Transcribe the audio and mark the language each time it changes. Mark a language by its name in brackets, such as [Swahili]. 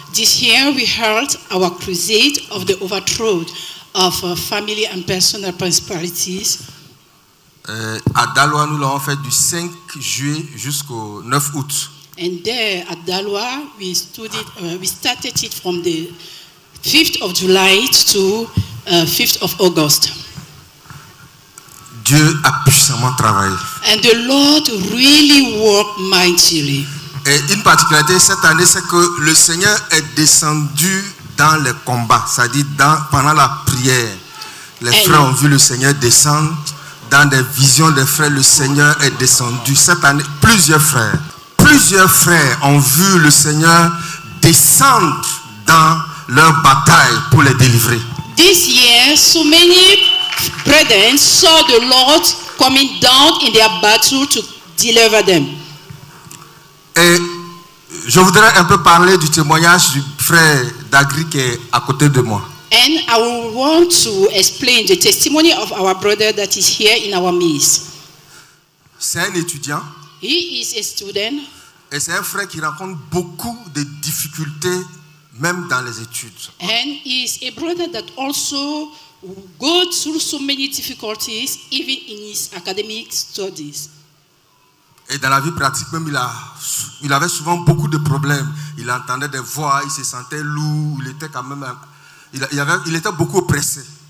[English] This year we held our crusade of the overthrow of family and personal principalities. [French] À Daloa, nous l'avons fait du 5 juillet jusqu'au 9 août. [English] And there at Daloa, we started it from the 5th of July to 5th of August. [French] Dieu a puissamment travaillé. [English] And the Lord really worked mightily. [French] Et une particularité cette année, c'est que le Seigneur est descendu dans les combats, c'est-à-dire pendant la prière. Les frères ont vu le Seigneur descendre. Dans des visions des frères, le Seigneur est descendu. Cette année, plusieurs frères ont vu le Seigneur descendre dans leur bataille pour les délivrer. [English] This year, so many brethren saw the Lord coming down in their battle to deliver them. [French] Et je voudrais un peu parler du témoignage du frère Dagri qui est à côté de moi. [English] And I will want to explain the testimony of our brother that is here in our midst. [French] C'est un étudiant. [English] He is a student. [French] Et c'est un frère qui rencontre beaucoup de difficultés même dans les études. [English] And he is a brother that also goes through so many difficulties even in his academic studies. [French] Et dans la vie pratique même, il avait souvent beaucoup de problèmes. Il entendait des voix, il se sentait lourd, il était quand même il était beaucoup oppressé.